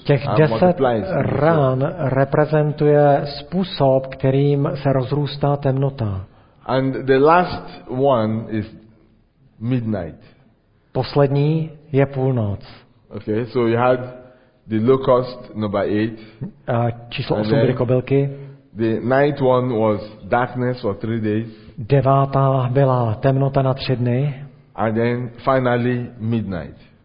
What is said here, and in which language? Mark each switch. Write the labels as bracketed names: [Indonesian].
[Czech] Těch 10 rán reprezentuje způsob, kterým se rozrůstá temnota. [English] And the last one is midnight. [Czech] Poslední je půlnoc. [English] Okay, so you had the locust number 8. [Czech] A číslo 8 byly kobylky. [English] The ninth one was darkness for 3 days. [Czech] Devátá byla temnota na 3 dny. [English] And then finally midnight.